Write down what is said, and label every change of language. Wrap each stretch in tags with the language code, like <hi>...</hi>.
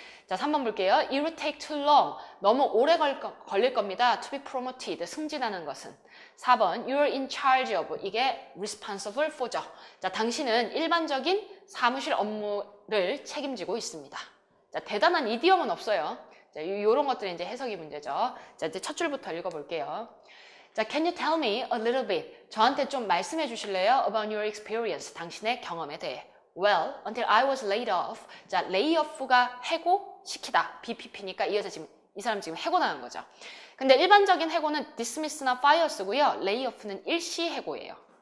<ko>자, 3번 볼게요.</ko> <en>It will take too long.</en> <ko>너무 오래 걸릴 겁니다.</ko> <en>To be promoted.</en> <ko>승진하는 것은. 4번.</ko> <en>You're in charge of.</en> <ko>이게 responsible for죠. 자, 당신은 일반적인 사무실 업무를 책임지고 있습니다. 자, 대단한 이디엄은 없어요. 자, 요런 것들이 이제 해석이 문제죠. 자, 이제 첫 줄부터 읽어볼게요.</ko> <en>자, can you tell me a little bit?</en> <ko>저한테 좀 말씀해 주실래요?</ko> <en>About your experience.</en> <ko>당신의 경험에 대해.</ko> <en>Well, until I was laid off.</en> <ko>자, lay off가 해고 시키다. BPP니까 이어서 지금, 이 사람 지금 해고 나간 거죠. 근데 일반적인 해고는 dismiss나 fire 쓰고요. lay off는 일시 해고예요.</ko>